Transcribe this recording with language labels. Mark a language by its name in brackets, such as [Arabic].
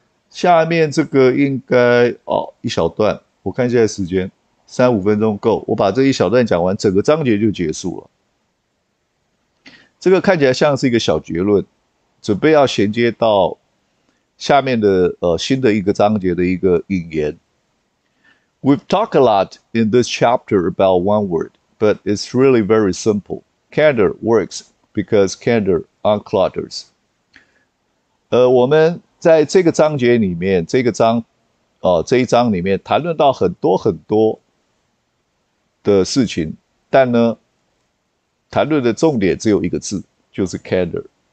[Chinese] 下面这个应该哦一小段，我看现在时间三五分钟够，我把这一小段讲完，整个章节就结束了。这个看起来像是一个小结论，准备要衔接到下面的新的一个章节的一个引言。 [English] We've talked a lot in this chapter about one word, but it's really very simple. Candor works because candor unclutters. [Chinese] 我们在这个章节里面，这一章里面谈论到很多很多的事情，但呢，谈论的重点只有一个字，就是 candor。